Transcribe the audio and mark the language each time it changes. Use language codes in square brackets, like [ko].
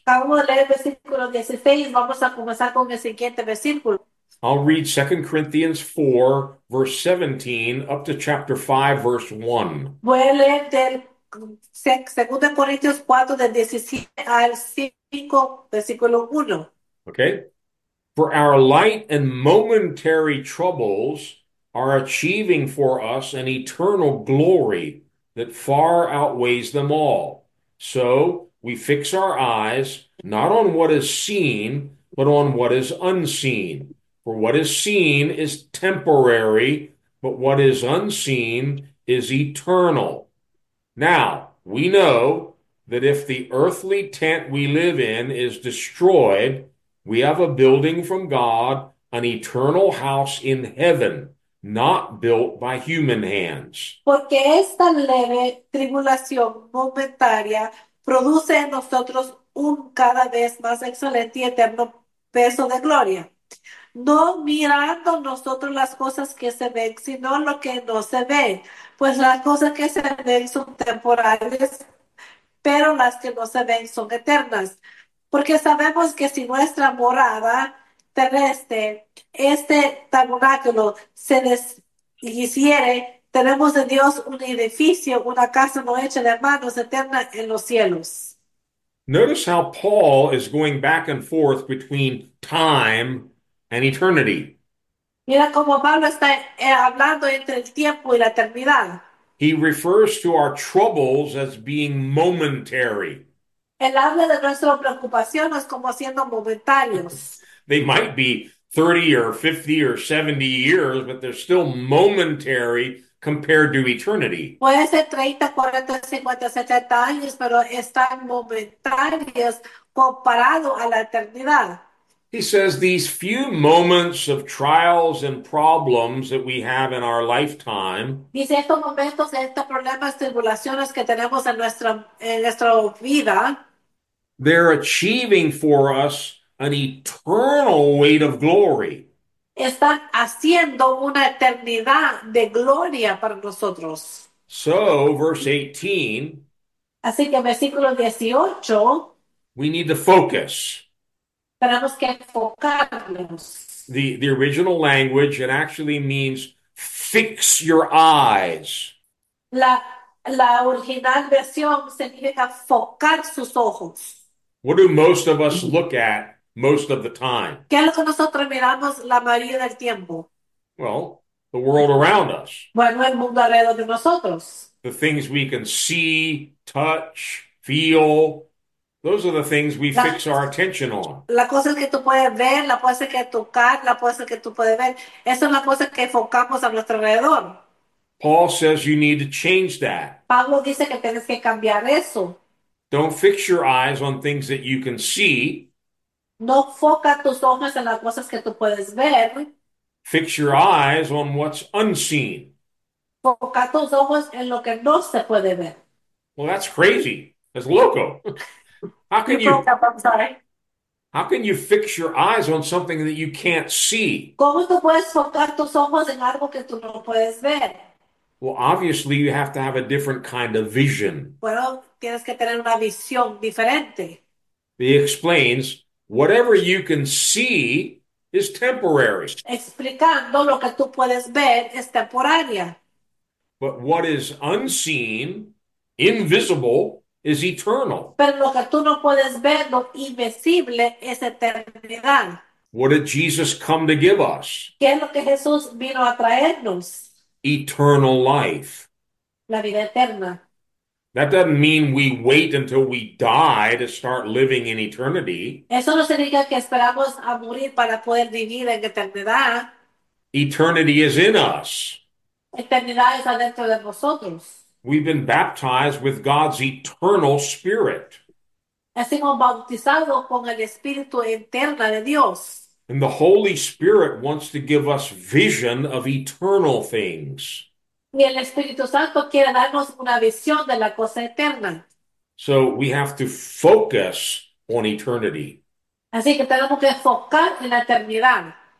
[es] Acabamos de leer el versículo 16. Vamos a comenzar con el siguiente versículo. [en] I'll read 2 Corinthians 4, verse 17, up to chapter 5, verse 1. [es] Voy a leer del Segunda de Corintios 4 del 17 al 5, versículo 1. [en] Okay. For our light and momentary troubles are achieving for us an eternal glory that far outweighs them all. So we fix our eyes not on what is seen, but on what is unseen. For what is seen is temporary, but what is unseen is eternal. Now, we know that if the earthly tent we live in is destroyed, we have a building from God, an eternal house in heaven, not built by human hands. [es] Porque esta leve tribulación momentánea produce en nosotros un cada vez más excelente y eterno peso de gloria. No mirando nosotros las cosas que se ven, sino lo que no se ve. Pues las cosas que se ven son temporales, pero las que no se ven son eternas. Porque sabemos que si nuestra morada terrestre, este tabernáculo, se deshiciere, Tenemos de Dios un edificio, una casa no hecha de manos, eterna en los cielos. [en] Notice how Paul is going back and forth between time and eternity. [es] Mira cómo Pablo está hablando entre el tiempo y la eternidad. [en] He refers to our troubles as being momentary. [es] Él habla de nuestras preocupaciones como siendo momentarios. [en] They might be 30 or 50 or 70 years, but they're still momentary compared to eternity. [es] Puede ser 30, 40, 50, 70 años, pero están momentáneos comparado a la eternidad. [en] He says these few moments of trials and problems that we have in our lifetime, [es] Dice estos momentos, estos problemas, tribulaciones que tenemos en nuestra vida, [en] they're achieving for us an eternal weight of glory. [es] están haciendo una eternidad de gloria para nosotros. [en] So, verse 18, [es] Así que en versículo 18, [en] we need to focus. [es] tenemos que enfocarnos. [en] The original language, it actually means fix your eyes. [es] La original versión significa focar sus ojos. [en] What do most of us look at most of the time? [es] ¿Qué es lo que nosotros miramos la mayoría del tiempo? [en] Well, the world around us. [es] Bueno, el mundo alrededor de nosotros. [en] The things we can see, touch, feel, those are the things we fix our attention on. [es] La cosa que tú puedes ver, la cosa que tocar, la cosa que tú puedes ver, eso es la cosa que enfocamos a nuestro alrededor. [en] Paul says you need to change that. [es] Pablo dice que tienes que cambiar eso. [en] Don't fix your eyes on things that you can see. [es] No foca tus ojos en las cosas que tú puedes ver. [en] Fix your eyes on what's unseen. [es] Foca tus ojos en lo que no se puede ver. [en] Well, that's crazy. That's loco. You broke up, I'm sorry. How can you fix your eyes on something that you can't see? [es] ¿Cómo tú puedes enfocar tus ojos en algo que tú no puedes ver? [en] Well, obviously, you have to have a different kind of vision. [es] Bueno, tienes que tener una visión diferente. [en] He explains, whatever you can see is temporary. [es] Explicando lo que tú puedes ver es temporaria. [en] But what is unseen, invisible, is eternal. [es] Pero lo que tú no puedes ver, lo invisible, es eternidad. [en] What did Jesus come to give us? [es] ¿Qué es lo que Jesús vino a traernos? [en] Eternal life. [es] La vida eterna. [en] That doesn't mean we wait until we die to start living in eternity. [es] Eso no significa que esperamos a morir para poder vivir en eternidad. [en] Eternity is in us. [es] Eternidad es adentro de nosotros. [en] We've been baptized with God's eternal spirit. [es] Hemos bautizado con el Espíritu eterno de Dios. [en] And the Holy Spirit wants to give us vision of eternal things. [es] Y el Espíritu Santo quiere darnos una visión de la cosa eterna. [en] So we have to focus on eternity. [es] Así que tenemos que enfocar en la eternidad.